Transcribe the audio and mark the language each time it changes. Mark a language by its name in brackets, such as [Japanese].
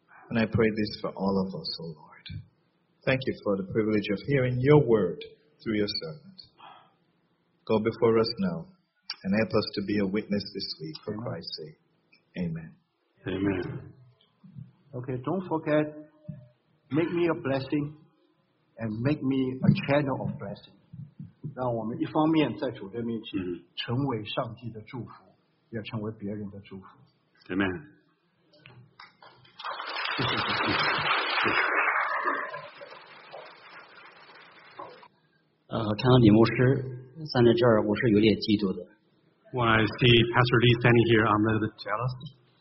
[English] And I pray this for all of us, O Lord. Thank you for the privilege of hearing your word through your servant. Go before us now and help us to be a witness this week for Christ's sake. Amen. Amen. Okay, don't forget, make me a blessing and make me a channel of blessing. [Chinese] 让我们一方面在主的面前成为上帝的祝福, 也成为别人的祝福。 [English] Amen. [Chinese] 看到李牧师站在这儿，我是有点嫉妒的。 [English] When I see Pastor Lee standing here, I'm a little bit jealous.